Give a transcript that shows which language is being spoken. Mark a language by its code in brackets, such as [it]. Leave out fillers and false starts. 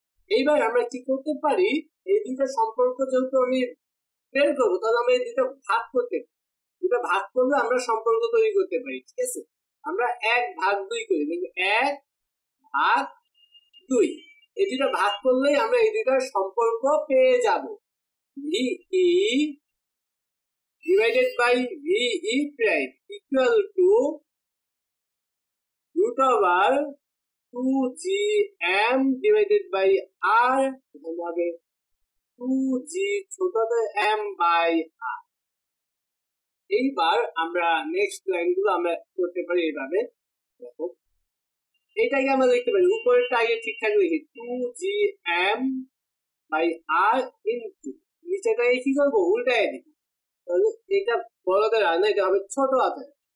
[bn] এইবার আমরা কি করতে পারি, এই দুটো সম্পর্ক যেহেতু আমি বের করবো তাহলে আমরা এই দুটো ভাগ করতে পারি, দুটো ভাগ করলে আমরা সম্পর্ক তৈরি করতে পারি, ঠিক আছে। আমরা 1/2 করি, দেখবো 1/2 এই দুটো ভাগ করলেই আমরা এই দুটার সম্পর্ক পেয়ে যাব, ভিই [en] divided by VE prime equal to root over 2GM divided by R, then we have 2G ছোট m by R. [bn] এইবার আমরা নেক্সট লাইনগুলো আমরা করতে পারি এইভাবে দেখো এটাকে আমরা লিখতে পারি উপরেরটা আগে ঠিক থাকলে কি two G M by আর into নিচেটা কি করবো উল্টায় দিব তাহলে এটা বড় করে আনা এটা হবে ছোট আকার